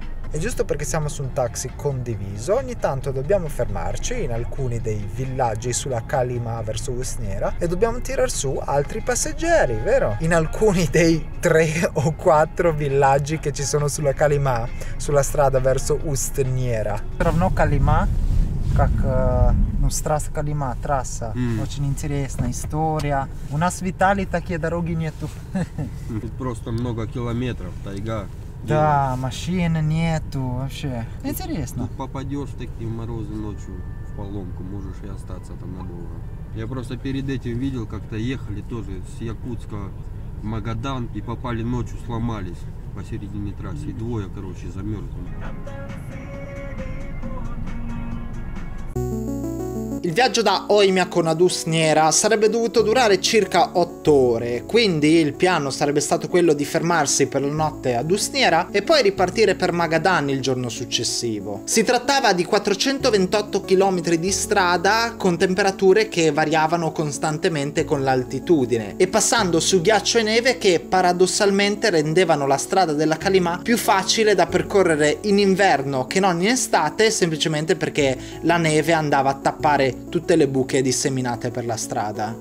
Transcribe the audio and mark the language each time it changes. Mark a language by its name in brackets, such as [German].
[Italian] E giusto perché siamo su un taxi condiviso, ogni tanto dobbiamo fermarci in alcuni dei villaggi sulla Kalimà verso Usnera e dobbiamo tirar su altri passeggeri, vero? In alcuni dei 3 o 4 villaggi che ci sono sulla Kalimà, sulla strada verso Usnera. [Russian] Равно Kalimà, как ну страст Kalimà трасса. Очень интересная история. У нас в Италии такие дороги нету. Тут просто много километров, тайга. Да, машины нету вообще. Интересно. Тут попадешь в такие морозы ночью в поломку, можешь и остаться там надолго. Я просто перед этим видел, как-то ехали тоже с Якутска в Магадан и попали ночью, сломались посередине трассы. И двое, короче, замерзли. [Italian] Il viaggio da Oimiakon ad Usnera sarebbe dovuto durare circa 8 ore, quindi il piano sarebbe stato quello di fermarsi per la notte ad Usnera e poi ripartire per Magadan il giorno successivo. Si trattava di 428 km di strada con temperature che variavano costantemente con l'altitudine e passando su ghiaccio e neve che paradossalmente rendevano la strada della Kalimà più facile da percorrere in inverno che non in estate, semplicemente perché la neve andava a tappare tutte le buche disseminate per la strada.